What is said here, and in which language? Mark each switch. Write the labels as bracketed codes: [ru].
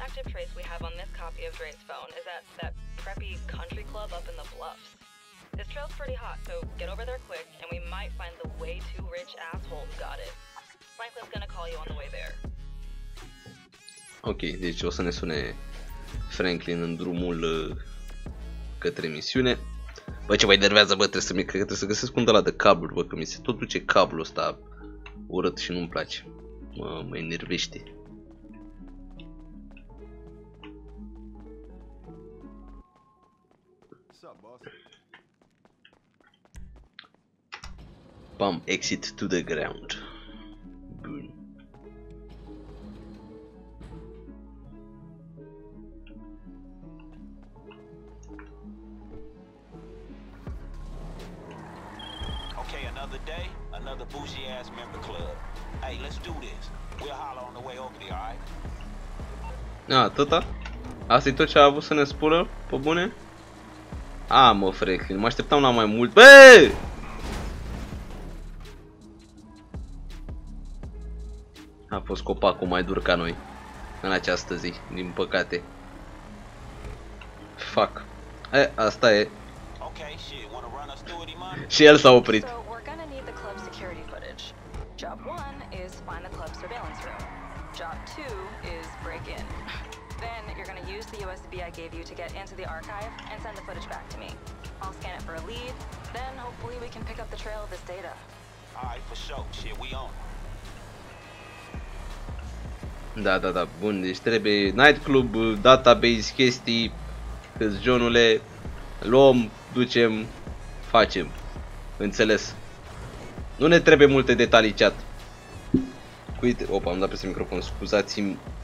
[en] other trace we have on this copy of Dre's phone is at that preppy country club up in the Bluffs. This trail's pretty hot, so get over there quick, and we might find the way-too-rich asshole who got it. Franklin's gonna call you on the way there. [ro] Ok, deci o să ne sune Franklin în drumul către misiune. Bă, ce mă enervează, bă, trebuie să găsesc unde ăla de cabluri, bă, că mi se tot duce cablul ăsta urât și nu-mi place. Mă enervește. [en] Pam, exit to the ground. [ro] Bun. [en] Okay, another day, another bougie ass member club. Hey, let's do this. We'll holler on the way over there, alright? [ro] Na, tata. Asta e tot ce a avut să ne spună, pe bune? A, mă, Franklin, mă așteptam la mai mult. Bă! A fost copacul mai dur ca noi în această zi, din păcate. Fuck. E, asta e. [en] Okay, shit, wanna run us through it, man? [ro] Și el s-a oprit. [en] So, we're gonna need the club security footage. Job 1 is find the club surveillance room. Job 2 is break in. Then you're gonna use the USB I gave you to get into the archive and send the footage back to me. I'll scan it for a lead, then hopefully we can pick up the trail of this data. Alright, for sure. Shit, we on. [ro] Da, da, da, bun, deci trebuie nightclub, database, chestii, câți genule, luăm, ducem, facem, înțeles. Nu ne trebuie multe detalii, chat. Uite, opa, am dat peste microfon, scuzați-mă.